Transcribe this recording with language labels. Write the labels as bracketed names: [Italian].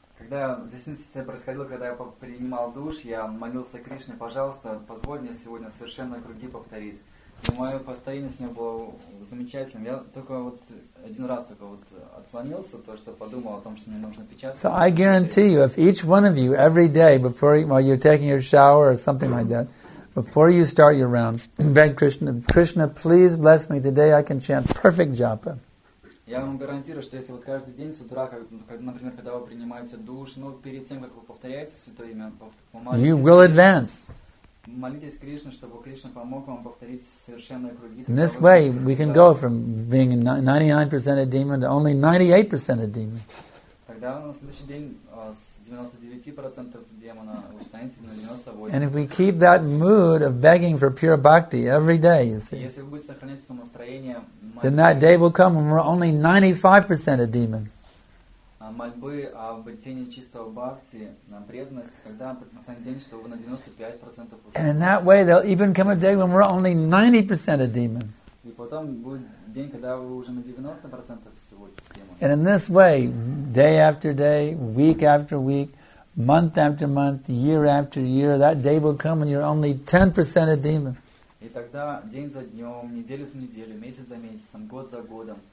[Russian] Когда в действительности происходило, когда я принимал душ, я молился Кришне, пожалуйста, позволь мне сегодня совершенно круги повторить. И мое повторение с ним было замечательным. Я только вот один раз только вот отклонился, то что подумал о том, что мне нужно печатать. [English] So I guarantee you, if each one of you every day before while you're taking your shower or something like that. Before you start your rounds, beg Krishna, Krishna, please bless me today. I can chant perfect japa. [Russian] Я вам гарантирую, что если вот каждый день с утра, например, когда вы принимаете душ, ну перед тем, как вы повторяете святое имя, помолитесь. [English] You will advance. [Russian] Молитесь Кришне, чтобы Кришна помог вам повторить совершенные круги. [English] In this way, we can go from being 99% a demon to only 98% a demon. [Russian] Тогда на следующий день с 99% демона вы станете на 98%. [English] And if we keep that mood of begging for pure bhakti every day, you see. [Russian] Если вы будете сохранять это настроение. [English] Then that day will come when we're only 95% a demon. [Russian] Мольбы об тени чистого бхакти, преданность, когда настанет день, что вы на 95%. [English] And in that way, there'll even come a day when we're only 90% a demon. [Russian] И потом будет день, когда вы уже на 90% всего демон. [English] And in this way, day after day, week after week, month after month, year after year, that day will come when you're only 10% a demon. [Russian] И тогда день за днем, неделю за неделю, месяц за месяцем, год за годом.